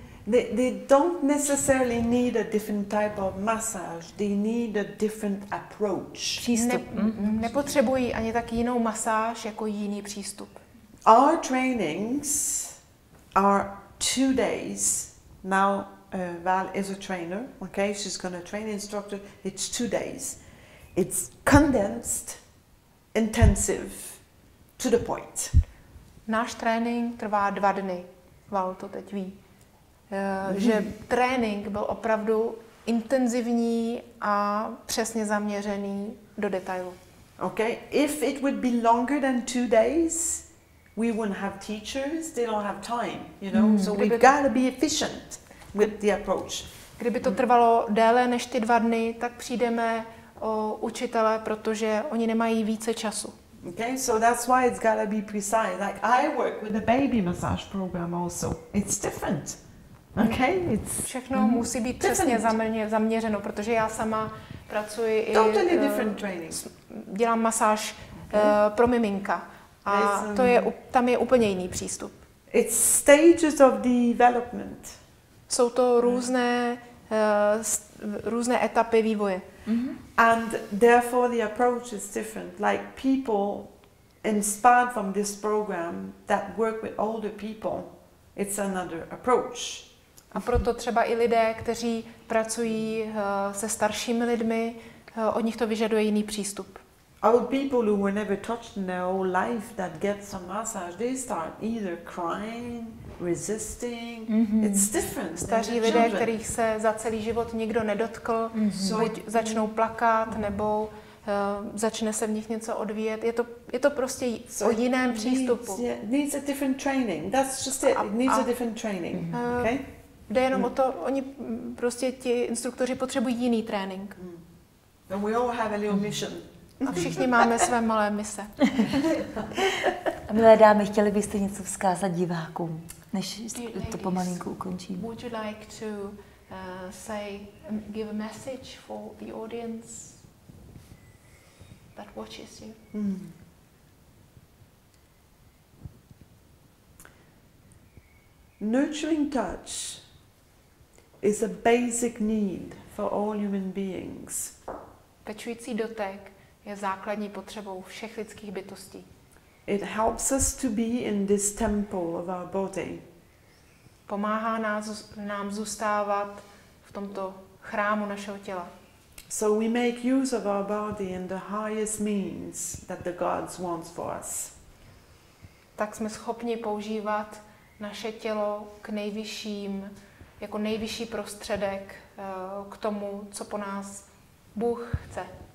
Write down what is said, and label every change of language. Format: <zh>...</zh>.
<en>They don't necessarily need a different type of massage. They need a different approach.</en> <cs>Nepotřebují ani tak jinou masáž jako jiný přístup.</cs> <en>Our trainings are 2 days. Now Val is a trainer. Okay, she's going to train instructor. It's 2 days. It's condensed, intensive, to the point.</en> <cs>Náš trénink trvá 2 dny. Val to teď ví. Že trénink byl opravdu intenzivní a přesně zaměřený do detailu.</cs> <en>Okay, if it would be longer than 2 days, we wouldn't have teachers, they don't have time, you know. So we've got to be efficient with the approach.</en> <cs>Kdyby to trvalo déle než ty 2 dny, tak přijdeme o učitele, protože oni nemají více času.</cs> <en>Okay, so that's why it's got to be precise. Like I work with a baby massage program also. It's different. Okay, it's</en> <cs>všechno musí být přesně zaměřeno, protože já sama pracuji i</cs> <en>totally different training.</en> <cs>Dělám masáž pro miminka. A to je tam je úplně jiný přístup.</cs> <en>It's stages of development.</en> <cs>Jsou to různé různé etapy vývoje.</cs> <en>And therefore the approach is different. Like people inspired from this program that work with older people, it's another approach.</en> <cs>A proto třeba i lidé, kteří pracují se staršími lidmi, od nich to vyžaduje jiný přístup.</cs> <en>Old people who were never touched in their whole life that get some massage, they start either crying, resisting. Mm-hmm. It's different.</en> <cs>Staří lidé, kterých se za celý život nikdo nedotkl, začnou plakat nebo začne se v nich něco odvíjet. Je to prostě o jiném přístupu.</cs> <en>Needs a different training. That's just it. It needs a different training. Okay?</en> <cs>Jde jenom o to, oni prostě ti instruktoři potřebují jiný trénink.</cs> <en>And we all have a little mission.</en> <cs>A všichni máme své malé mise. Milé dámy, chtěli byste něco vzkázat divákům, než to pomalinku ukončím.</cs> <en>Would you like to say, give a message for the audience that watches you? Nurturing touch is a basic need for all human beings.</en> <cs>Pečující dotek je základní potřebou všech lidských bytostí.</cs> <en>It helps us to be in this temple of our body.</en> <cs>Pomáhá nám zůstávat v tomto chrámu našeho těla.</cs> <en>So we make use of our body in the highest means that the gods wants for us.</en> <cs>Tak jsme schopni používat naše tělo k nejvyšším, jako nejvyšší prostředek k tomu, co po nás Bůh chce.</cs>